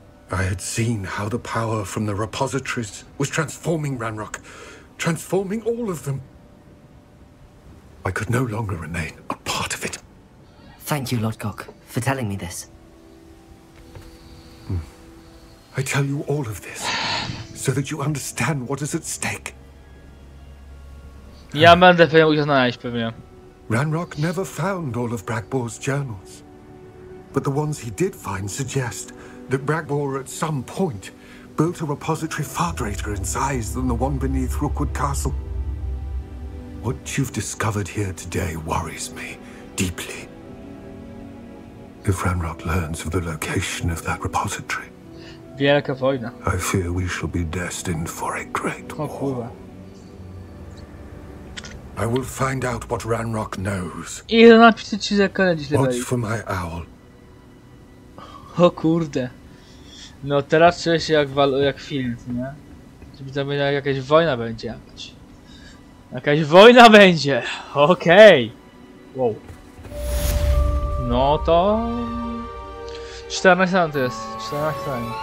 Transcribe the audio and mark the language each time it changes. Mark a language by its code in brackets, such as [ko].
[en] I had seen how the power from the repositories was transforming Ranrock, transforming all of them. I could no longer remain a part of it. Thank you, Lodgok, for telling me this. I tell you all of this so that you understand what is at stake. [pl] Ja będę pewnie musiał znaleźć, pewnie. [en] Ranrock never found all of Bragbor's journals. But the ones he did find suggest that Bragbor at some point built a repository far greater in size than the one beneath Rookwood Castle. What you've discovered here today worries me deeply. If Ranrock learns of the location of that repository, [pl] wielka wojna. [en] I fear we shall be destined for a great war. [pl] O kurwa. [en] I will find out what Ranrock knows. [pl] I to napiszę ci za kolejny dzisiaj. [en] Watch for my owl. [pl] O kurde. No teraz czuję się jak film, nie? Żeby to będzie jakaś wojna będzie. Jakaś wojna będzie. Okej. Okay. Wow. No to... 14 to jest. 14 stan.